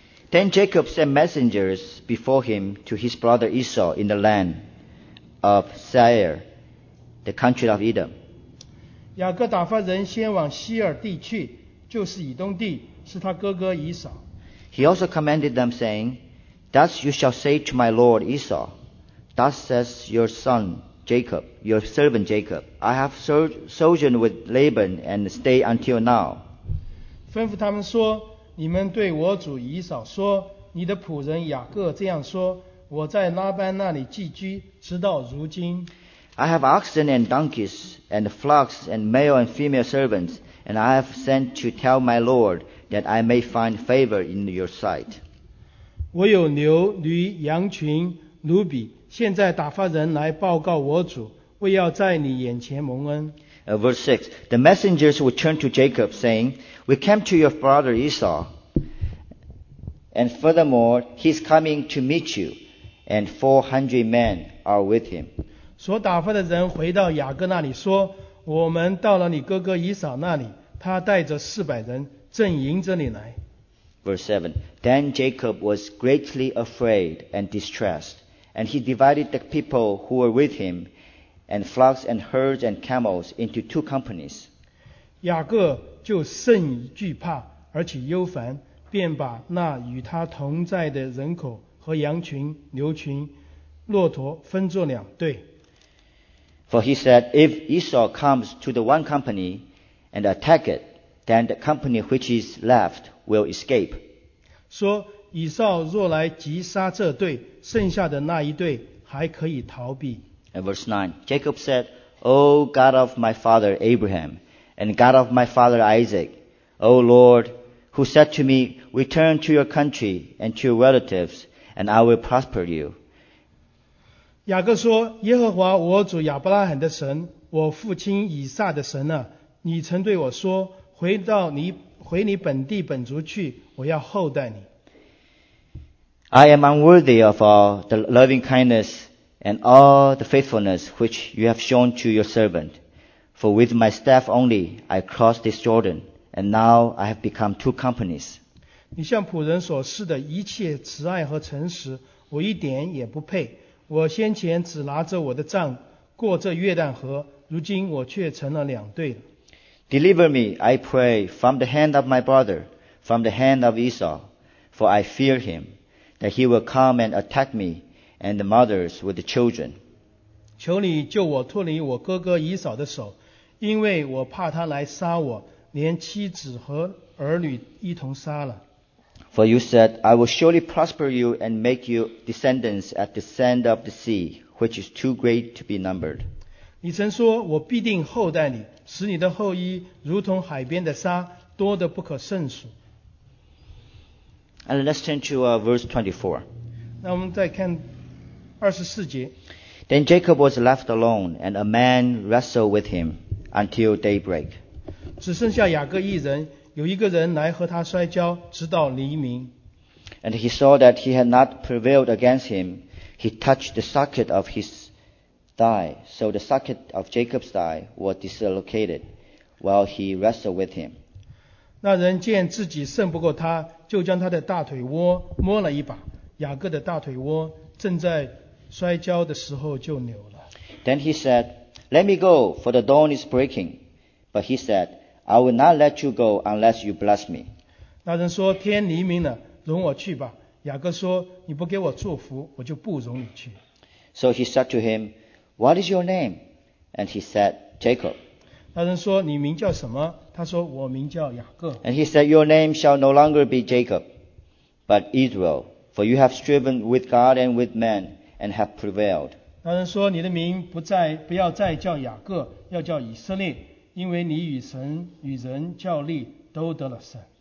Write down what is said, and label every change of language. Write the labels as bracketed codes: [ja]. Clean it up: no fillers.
[en] Then Jacob sent messengers before him to his brother Esau in the land of Seir, the country of Edom. [zh] 雅各打发人先往西尔地去，就是以东地，是他哥哥以扫。 [en] He also commanded them, saying, Thus you shall say to my lord Esau, Thus says your son Jacob, your servant Jacob, I have sojourned with Laban and stayed until now. [zh] 吩咐他们说，你们对我主以扫说，你的仆人雅各这样说，我在拉班那里寄居，直到如今。 [en] I have oxen and donkeys and flocks and male and female servants, and I have sent to tell my lord that I may find favor in your sight. [zh] 我有牛、驴、羊群、奴婢，现在打发人来报告我主，为要在你眼前蒙恩。 [en] Verse 6, the messengers returned to Jacob, saying, We came to your brother Esau, and furthermore, he is coming to meet you, and 400 men are with him. [zh] 所打发的人回到雅各那里说，我们到了你哥哥以扫那里，他带着400人正迎着你来。 [en] Verse 7, then Jacob was greatly afraid and distressed, and he divided the people who were with him,and flocks and herds and camels into two companies. [zh] 雅各就甚惧怕而且忧烦，便把那与他同在的人口和羊群、牛群、骆驼分作两队。 [en] For he said, If Esau comes to the one company and attack it, then the company which is left will escape. [zh] 说以扫若来击杀这队，剩下的那一队还可以逃避。 [en] And verse 9, Jacob said, O God of my father Abraham, and God of my father Isaac, O Lord, who said to me, Return to your country and to your relatives, and I will prosper you. [zh] 雅各说，耶和华我主亚伯拉罕的神，我父亲以撒的神啊，你曾对我说，回你本地本族去，我要厚待你。 [en] I am unworthy of all the loving kindness and all the faithfulness which you have shown to your servant. For with my staff only I crossed this Jordan, and now I have become two companies. [zh] 你向仆人所施的一切慈爱和诚实，我一点也不配。我先前只拿着我的杖过这约旦河，如今我却成了两队。 [en] Deliver me, I pray, from the hand of my brother, from the hand of Esau, for I fear him, that he will come and attack me,and the mothers with the children. [zh] 求你救我脱离我哥哥以扫的手，因为我怕他来杀我，连妻子和儿女一同杀了。 [en] For you said, I will surely prosper you and make you descendants at the sand of the sea, which is too great to be numbered. [zh] 你曾说，我必定厚待你，使你的后裔如同海边的沙，多得不可胜数。 [en] And let's turn to verse 24. [zh] 那我们再看24节。 [en] Then Jacob was left alone, and a man wrestled with him until daybreak. [zh] 只剩下雅各一人，有一个人来和他摔跤，直到黎明。 [en] And he saw that he had not prevailed against him. He touched the socket of his thigh, so the socket of Jacob's thigh was dislocated while he wrestled with him. [zh] 那人见自己胜不过他，就将他的大腿窝摸了一把，雅各的大腿窝正在摔跤的时候就扭了。 [en] Then he said, "Let me go, for the dawn is breaking." But he said, "I will not let you go unless you bless me." [zh] 那人说，天黎明了，容我去吧。雅各说，你不给我祝福，我就不容你去。 [en] So he said to him, "What is your name?" And he said, "Jacob." [zh] 那人说，你名叫什么？他说，我名叫雅各。 [en] And he said, "Your name shall no longer be Jacob, but Israel, for you have striven with God and with men and have prevailed." [zh] 那人说，你的名不要再叫雅各，要叫以色列，因为你与神与人较力，都得了胜。